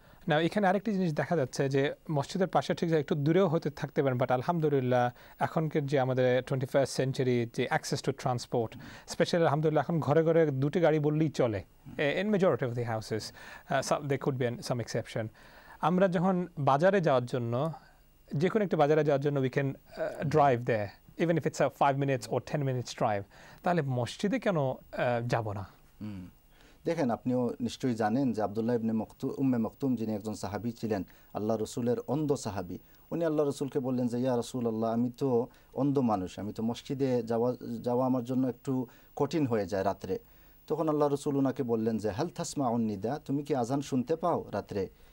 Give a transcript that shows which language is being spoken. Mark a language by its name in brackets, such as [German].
[Bangla] না, এখানে আরেকটি জিনিস দেখা যাচ্ছে যে মসজিদের পাশে ঠিক একটু দূরেও হতে থাকতে পারেন, বাট আলহামদুলিল্লাহ এখনকার যে আমাদের 21st century যে [English] access to transport, [Bangla] স্পেশালি আলহামদুলিল্লাহ এখন ঘরে ঘরে দুটি গাড়ি বললেই চলে [English] In majority of the houses, they could be some exception. [Bangla] আমরা যখন বাজারে যাওয়ার জন্য, যে কোনো একটি বাজারে যাওয়ার জন্য [English] we can drive there, even if it's a 5 minutes or 10 minutes drive, [Bangla] তাহলে মসজিদে কেন যাব না? দেখেন, আপনিও নিশ্চয়ই জানেন যে আবদুল্লাহ ইবনে উম্মে মাকতুম, যিনি একজন সাহাবি ছিলেন, আল্লাহ রসুলের অন্ধ সাহাবি, উনি আল্লাহ রসুলকে বললেন যে [Arabic] ইয়া রসুল আল্লাহ, [Bangla] আমি তো অন্ধ মানুষ, আমি তো মসজিদে যাওয়া আমার জন্য একটু কঠিন হয়ে যায় রাত্রে। তখন আল্লাহ রসুল ওনাকে বললেন যে [Arabic] হেল থাসমা উন্নিদা, [Bangla] তুমি কি আজান শুনতে পাও রাত্রে?